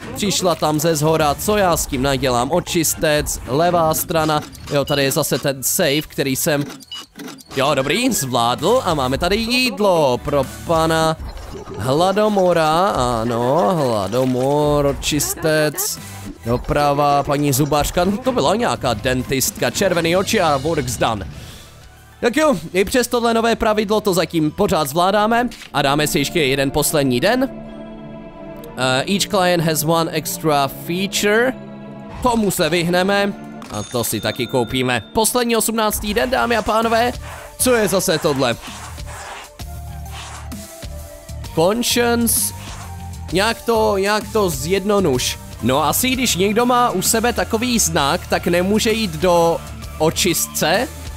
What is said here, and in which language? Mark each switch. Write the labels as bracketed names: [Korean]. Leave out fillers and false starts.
[Czech] přišla tam ze zhora, co já s tím nadělám, očistec, levá strana, jo, tady je zase ten safe, který jsem, jo, dobrý, zvládl a máme tady jídlo pro pana Hladomora, ano, Hladomor, očistec, doprava, paní zubářka, no to byla nějaká dentistka, červený oči a [English] work's done. [Czech] Tak jo, i přes tohle nové pravidlo to zatím pořád zvládáme a dáme si ještě jeden poslední den. [English] Each client has one extra feature. [Czech] Tomu se vyhneme a to si taky koupíme. Poslední 18. den, dámy a pánové, co je zase tohle? Conscience? Nějak to zjednonuš. No asi když někdo má u sebe takový znak, tak nemůže jít do očistce.